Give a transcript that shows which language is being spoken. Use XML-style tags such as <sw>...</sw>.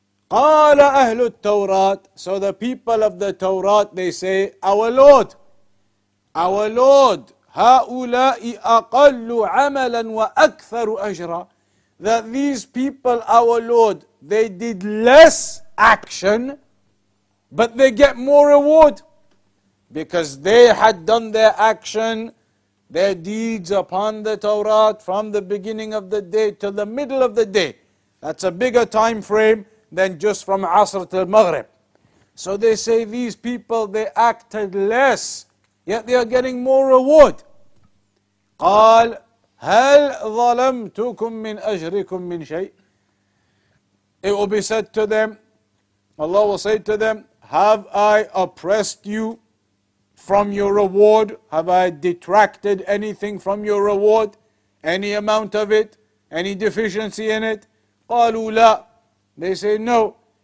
<ar>Qala ahlu at-Tawrat,</ar> <en>so the people of the Torah, they say, our Lord,</en> <ar>هؤلاء أقل عملا وأكثر أجرا,</ar> <en>that these people, our Lord, they did less action, but they get more reward, because they had done their action, their deeds upon the Torah from the beginning of the day to the middle of the day. That's a bigger time frame than just from Asr to Maghrib. So they say these people, they acted less, yet they are getting more reward.</en> <ar>قال هل ظلمتكم من أجركم من شيء.</ar> <en>It will be said to them, Allah will say to them, have I oppressed you from your reward? Have I detracted anything from your reward? Any amount of it? Any deficiency in it?</en> <ar>قالوا لا.</ar> <en>They say no.</en>